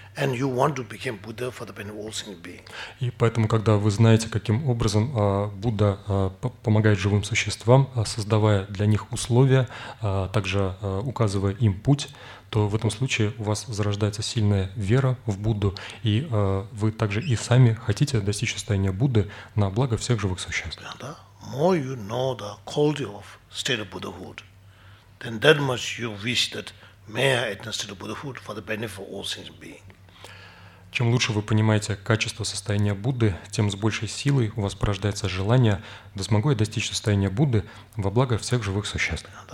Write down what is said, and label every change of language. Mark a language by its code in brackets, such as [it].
[en] And you want to become Buddha for the benefit of all sentient beings. [ru] И поэтому, когда вы знаете, каким образом Будда помогает живым существам, создавая для них условия, также указывая им путь, то в этом случае у вас зарождается сильная вера в Будду, и вы также и сами хотите достичь состояния Будды на благо всех живых существ. [en] And the more you know the quality of state of Buddhahood, then that much you wish that may I attain state of Buddhahood for the benefit of all sentient beings. [ru] Чем лучше вы понимаете качество состояния Будды, тем с большей силой у вас порождается желание, да смогу я достичь состояния Будды во благо всех живых существ.